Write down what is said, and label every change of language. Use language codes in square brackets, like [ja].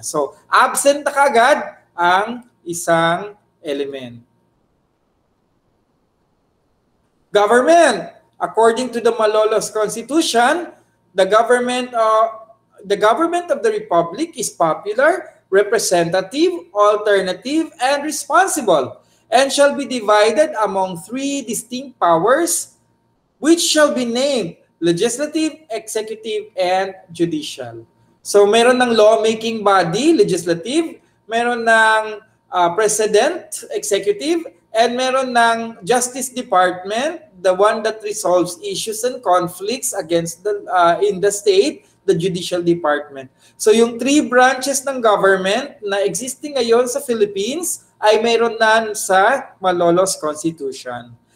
[tl] So, absent na kagad ang isang element. [en] Government. According to the Malolos Constitution, the government the government of the republic is popular, representative, alternative, and responsible, and shall be divided among three distinct powers, which shall be named legislative, executive, and judicial. [tl] So meron ng [en] lawmaking body, legislative, meron ng president, executive, and meron ng justice department, the one that resolves issues and conflicts against the in the state, the judicial department. [tl] So yung three branches ng government na existing ngayon sa Philippines ay meron na sa Malolos Constitution.